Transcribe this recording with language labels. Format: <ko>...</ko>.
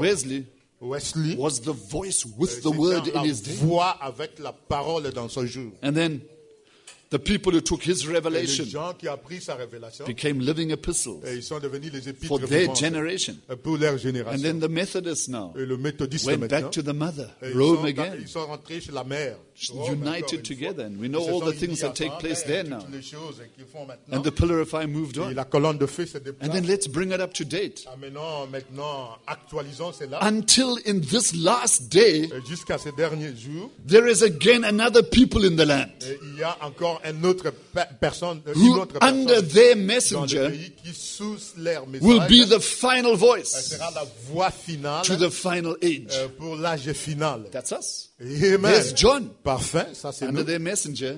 <en>Wesley was the voice with the word in his day.</en> <fr>La voix avec la parole dans son jour.</fr> <en>And then the people who took his revelation,</en> <fr>les gens qui a pris sa révélation,</fr> <en>became living epistles</en> <fr>et ils sont devenus les épîtres</fr> <en>for their generation.</en> <fr>Pour leur génération.</fr> <en>And then the Methodists now</en> <fr>et le méthodiste</fr> <en>went back to the mother, Rome again.</en> <fr>Ils sont rentrés chez la mère,</fr> <en>united together. And we know all the things that take place there now.</en> <fr>Toutes les choses qu'ils font maintenant.</fr> <en>And the pillar of fire moved on.</en> <fr>Et la colonne de feu se déplace.</fr> <en>And then let's bring it up to date.</en> <fr>Amenons maintenant, actualisons cela.</fr> <en>Until in this last day,</en> <fr>et jusqu'à ces derniers jours,</fr> <en>there is again another people in the land.</en> <fr>Et il y a encore une autre personne,</fr> <en>who,</en> <fr>une autre</fr> <en>under their messenger,</en> <fr>qui, sous leur message,</fr> <en>will be the final voice</en> <fr>sera la voix finale,</fr> <en>to the final age.</en> <fr>Pour l'âge final.</fr> <en>That's us. Amen. There's John.</en> <fr>Parfait, ça c'est</fr> <en>under</en> <fr>nous.</fr> <en>Their messenger,</en>